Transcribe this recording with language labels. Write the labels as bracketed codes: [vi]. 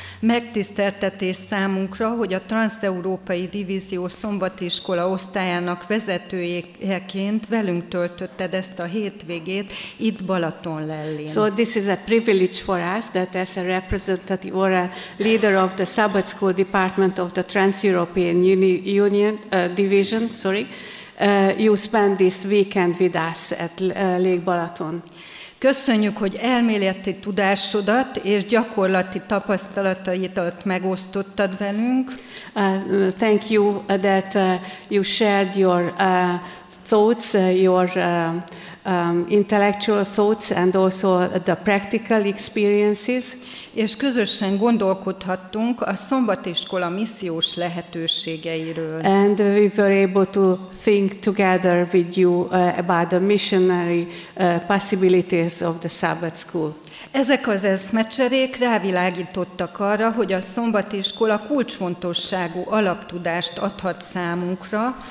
[hu] megtiszteltetés számunkra, hogy a Transzeurópai Divízió Szombatiskola osztályának vezetőjeként velünk töltötted ezt a hétvégét itt Balatonlellén. [en] So this is a privilege for us that as a representative or a leader of the Sabbath School Department of the Trans-European Union Division, you spend this weekend with us at Lake Balaton. [hu] Köszönjük, hogy elméleti tudásodat és gyakorlati tapasztalataidat megosztottad velünk. [en] Thank you that you shared your thoughts, your intellectual thoughts and also the practical experiences. [hu] És közösen gondolkodhattunk a szombatiskola missziós lehetőségeiről. [en] And we were able to think together with you about the missionary possibilities of the Sabbath School. [hu] Ezek az eszmecserék rávilágítottak arra, hogy a szombatiskola kulcsfontosságú alaptudást adhat számunkra.